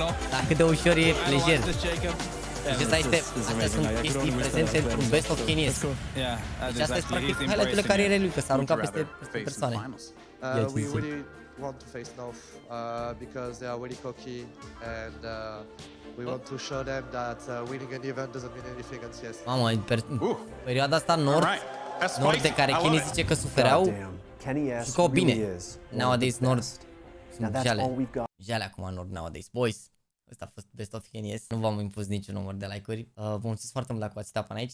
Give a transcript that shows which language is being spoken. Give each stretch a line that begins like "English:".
Romanian: La cât de ușor e, lejer. Deci ăsta este, astea sunt chestii prezente într-un best of Kenny ăsta. Deci astea sunt practic highlight-urile carierei lui, că s-a aruncat peste persoane. Ia ce zic.
English: Want to face North because they are really cocky and we want to show them that winning an event doesn't mean anything at CS.
Romanian: Mamă, în perioada asta North, North de care Kenny zice că sufereau, jucau bine. Nowadays North sunt jale. Jale acum North nowadays, boys. Asta a fost Best of Kenies. Nu v-am impus niciun număr de like-uri. Vă mulțumesc foarte mult dacă v-ați uitat până aici.